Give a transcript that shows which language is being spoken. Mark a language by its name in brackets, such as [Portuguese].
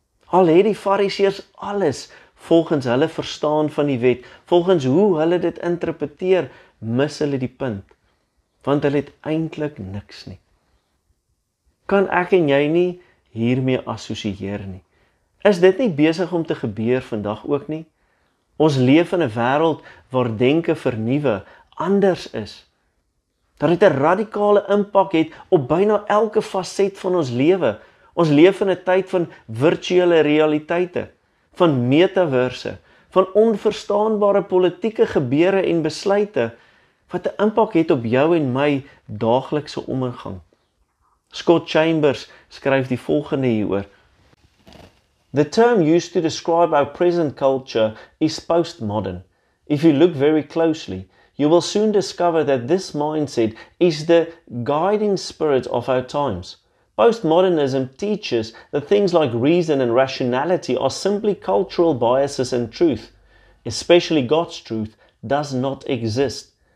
[Afrikaans] Al het die fariseërs alles volgens hulle verstaan van die wet, volgens hoe hulle dit interpreteer, mis hulle die punt, want hulle het eintlik niks nie. Kan ek en jy nie hiermee assosieer nie? Is dit nie besig om te gebeur vandag ook nie? Ons leef in 'n wêreld waar denke vernuwe anders is. Dat dit 'n radikale impak het op byna elke faset van ons lewe. Ons leef in 'n tyd van virtuele realiteite, van metaverse, van onverstaanbare politieke gebeure en besluite wat 'n impak het op jou en my daaglikse omgang. Scott Chambers skryf die volgende hieroor. [English] The term used to describe our present culture is postmodern. If you look very closely, you will soon discover that this mindset is the guiding spirit of our times. Postmodernism teaches that things like reason and rationality are simply cultural biases, and truth, especially God's truth, does not exist.